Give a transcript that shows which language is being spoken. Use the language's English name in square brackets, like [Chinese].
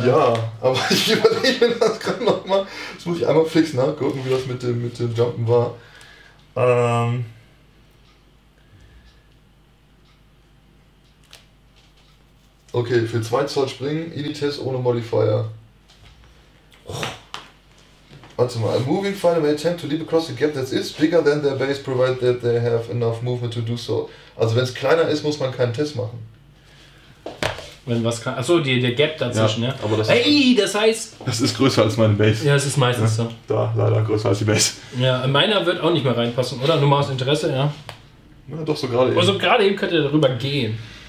[German] Ja, aber ich überlege mir das gerade nochmal. Das muss ich einmal fix nachgucken, wie das mit dem Jumpen war. Okay, für 2 Zoll springen, Initest ohne Modifier. Warte mal, [English] a moving file may attempt to leap across the gap that is bigger than their base, provided that they have enough movement to do so. [German] Also wenn es kleiner ist, muss man keinen Test machen. Wenn was kann. Achso, der Gap dazwischen, ja. Ja. Aber das ist, ey, das heißt. Das ist größer als meine Base. Ja, es ist meistens so. Da, leider größer als die Base. Ja, meiner wird auch nicht mehr reinpassen, oder? Nur mal aus Interesse, ja. Na ja, doch, so gerade eben. Also gerade eben könnt ihr darüber gehen.